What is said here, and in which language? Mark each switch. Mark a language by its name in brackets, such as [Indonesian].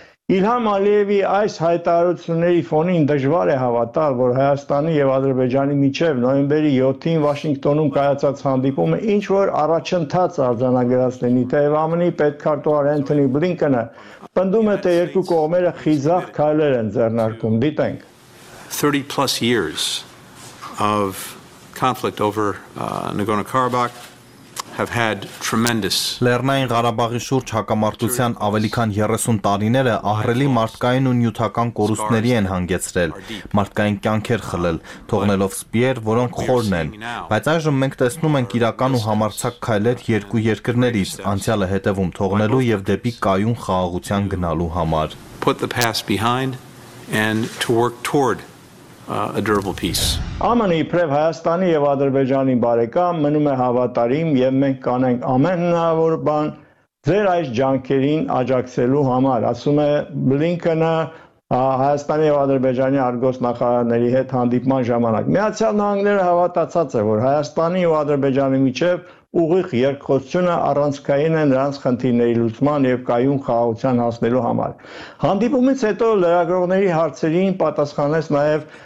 [Armenian] Իլհամ Ալիևի այս հայտարարությունների ֆոնին դժվար է հավատալ, որ Հայաստանի և Ադրբեջանի միջև նոյեմբերի 7-ին Վաշինգտոնում կայացած հանդիպումը ինչ-որ առաջընթաց արձանագրած լինի, թեև ԱՄՆ-ի պետքարտուհար Էնթոնի Բլինքենը պնդում է, թե երկու կողմերը խիզախ քայլեր են ձեռնարկում։ Դիտենք։ [English] 30+ years of conflict over Nagorno-Karabakh have had tremendous [Armenian] Լեռնային Ղարաբաղի շուրջ հակամարտության ավելի քան 30 տարիները ահռելի մարդկային ու նյութական կորուստների են հանգեցրել, մարդկային կյանքեր խլել, թողնելով սպիեր, որոնք խորն են, բայց այժմ մենք տեսնում ենք իրական ու համարձակ քայլեր երկու երկրներից անցյալը հետևում թողնելու և դեպի կայուն խաղաղության գնալու համար։ [English] Put the past behind and to work toward a durable peace. [Armenian] ԱՄՆ-ի իբրև Հայաստանի և Ադրբեջանի բարեկամ մնում է հավատարիմ, և մենք կանենք ամեն հնարավոր բան ձեր այս ջանքերին աջակցելու համար, ասում է Բլինքենը Հայաստանի և Ադրբեջանի արտգործնախարարների հետ հանդիպման ժամանակ։ Միացյալ Նահանգները հավատացած է, որ Հայաստանի ու Ադրբեջանի միջև ուղիղ երկխոսությունը առանցքային է նրանց խնդիրների լուծման և կայուն խաղաղության հասնելու համար։ Հանդիպումից հետո լրագրողների հարցերին պատասխանեց նաև